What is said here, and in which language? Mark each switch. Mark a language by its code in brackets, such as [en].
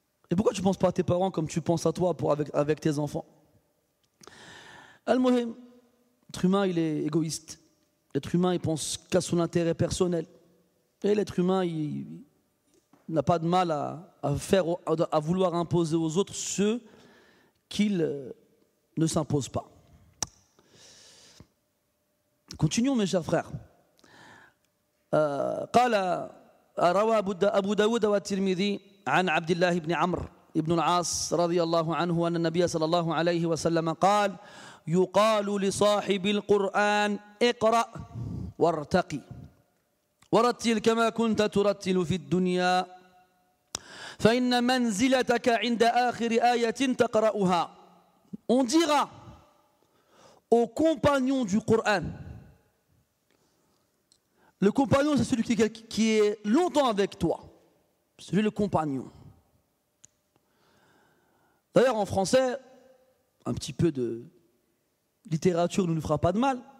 [fr] Et pourquoi tu penses pas à tes parents comme tu penses à toi avec tes enfants? Al-Muhim, l'être humain il est égoïste, l'être humain il pense qu'à son intérêt personnel. Et l'être humain, il n'a pas de mal à vouloir imposer aux autres ce qu'il ne s'impose pas. Continuons, mes chers frères. [ar] قال روى أبو داود والترمذي عن عبد الله بن عمرو ابن العاص رضي الله عنه أن النبي صلى الله عليه وسلم قال يقال لصاحب القرآن اقرأ وارتقي ورتل كما كنت ترتل في الدنيا فإن منزلتك عند آخر آية تقرأها. [fr] On dira au compagnon du Coran. Le compagnon, c'est celui qui est longtemps avec toi. Celui le compagnon. D'ailleurs, en français, un petit peu de littérature ne nous fera pas de mal.